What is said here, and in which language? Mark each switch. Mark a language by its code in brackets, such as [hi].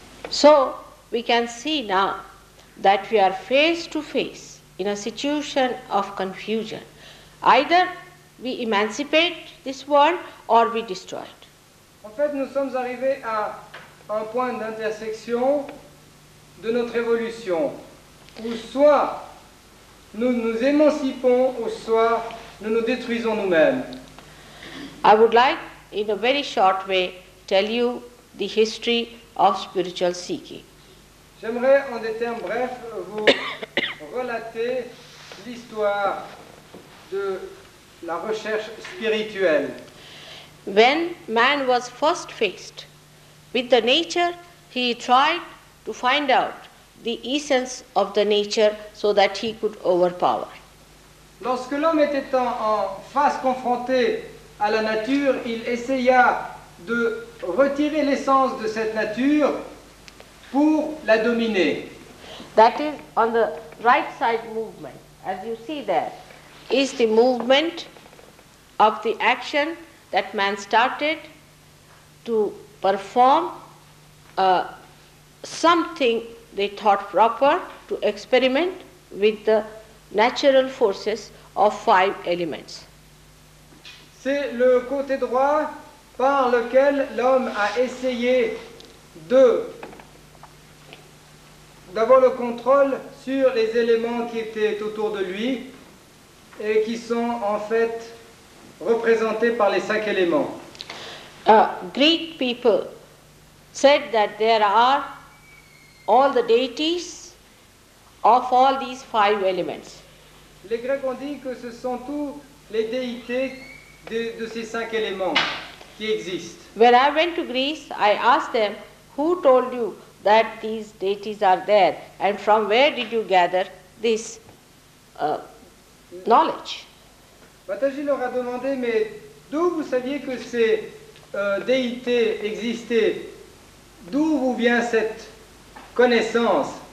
[en] So we can see now that we are face to face in a situation of confusion. Either we emancipate this world or we destroy it. [fr] En fait, nous sommes arrivés à un point d'intersection de notre évolution, où soit nous nous émancipons, ou soit nous nous détruisons nous-mêmes. [en] I would like, in a very short way, tell you the history of spiritual seeking. [fr] J'aimerais, en des termes brefs, vous relater l'histoire de la recherche spirituelle. [en] When man was first faced with the nature, he tried to find out the essence of the nature so that he could overpower. [fr] Lorsque l'homme était en face confronté à la nature, il essaya de retirer l'essence de cette nature pour la dominer. [en] That is on the right side movement, as you see there, is the movement of the action that man started to perform something they thought proper to experiment with the natural forces of five elements. [fr] C'est le côté droit par lequel l'homme a essayé de d'avoir le contrôle sur les éléments qui étaient autour de lui et qui sont en fait représentés par les cinq éléments. [en] Greek people said that there are all the deities of all these five elements. [fr] Les Grecs ont dit que ce sont tous les déités de ces cinq éléments qui existent. [en] When I went to Greece, I asked them, who told you that these deities are there and from where did you gather this knowledge? [fr] Bataji leur a demandé, mais d'où vous saviez que ces déités existaient? D'où vous vient cette connaissance?